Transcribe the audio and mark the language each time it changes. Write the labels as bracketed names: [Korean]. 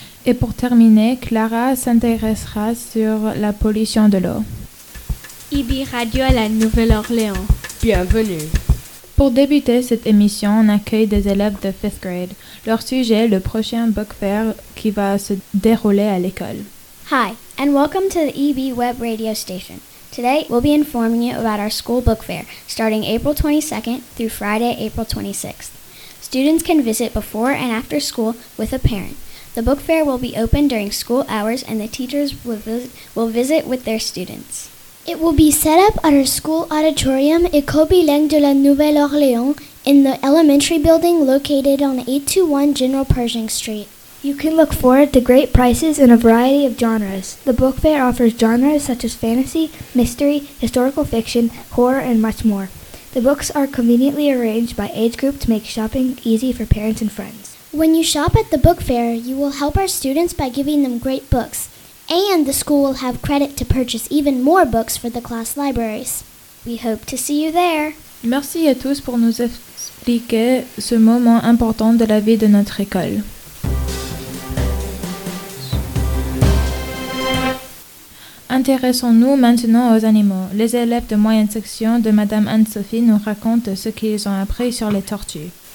[French] Et pour terminer, Clara s'intéressera sur la pollution de l'eau. EBRadio à la Nouvelle-Orléans. Bienvenue. Pour débuter cette émission, on accueille des élèves de 5th grade. Leur sujet, le prochain book fair qui va se dérouler à l'école. [English] Hi, and welcome to the EB Web Radio Station. Today, we'll be informing you about our school book fair, starting April 22nd through Friday, April 26th. Students can visit before and after school with a parent. The book fair will be open during school hours and the teachers will visit with their students. It will be set up at our school auditorium, École Bilingue de la Nouvelle-Orléans, in the elementary building located on 821 General Pershing Street. You can look forward to great prizes in a variety of genres. The book fair offers genres such as fantasy, mystery, historical fiction, horror, and much more. The books are conveniently arranged by age group to make shopping easy for parents and friends. When you shop at the book fair, you will help our students by giving them great books, and the school will have credit to purchase even more books for the class libraries. We hope to see you there! [French] Merci à tous pour nous expliquer ce moment important de la vie de notre école. Intéressons-nous maintenant aux animaux. Les élèves de moyenne section de Madame Anne-Sophie nous racontent ce qu'ils ont appris sur les tortues.